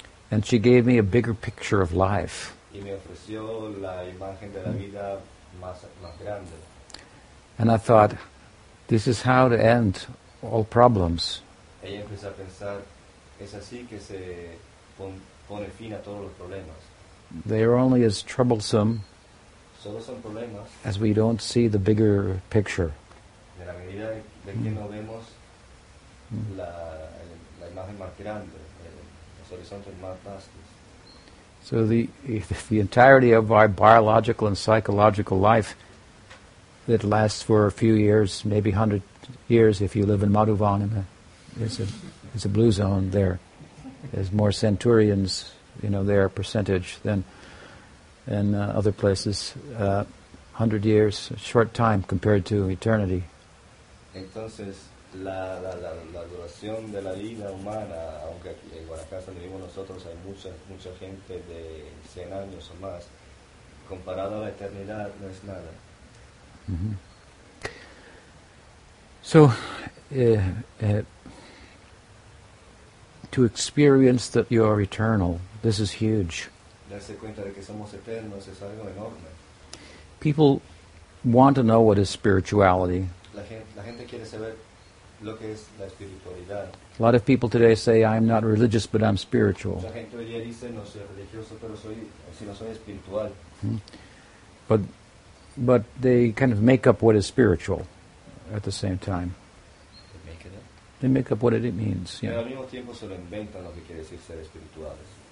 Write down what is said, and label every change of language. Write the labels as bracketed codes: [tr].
[en] and she gave me a bigger picture of life. [es] Y me ofreció la imagen de la vida más grande. [en] And I thought, this is how to end all problems. [es] Ella empezó a pensar, es así que se pone fin a todos los problemas. [en] They are only as troublesome [es] solo son problemas [en] as we don't see the bigger picture. [es] De la medida de que no vemos la imagen más grande, los horizontes más vastos. [en] So the entirety of our biological and psychological life that lasts for a few years, maybe 100 years if you live in Madhuvan, it's a blue zone there. There's more centurions, you know, their percentage than other places. 100 years, a short time compared to eternity. [es] Entonces, la duración de la vida humana, aunque aquí en Guanacaste donde vivimos nosotros hay mucha gente de 100 años o más, comparado a la eternidad, no es nada. [en] So, to experience that you are eternal, this is huge. [es] Darse cuenta de que somos eternos es algo enorme. [en] People want to know what is spirituality. [es] La gente quiere saber lo que es la espiritualidad. [en] A lot of people today say, I am not religious, but I'm spiritual. [es] La gente hoy día dice, no soy religioso, pero soy espiritual. [en] But they kind of make up what is spiritual at the same time. They make it up? They make up what it means. Yeah. [es] Al mismo tiempo se lo inventan lo que quiere decir ser espirituales.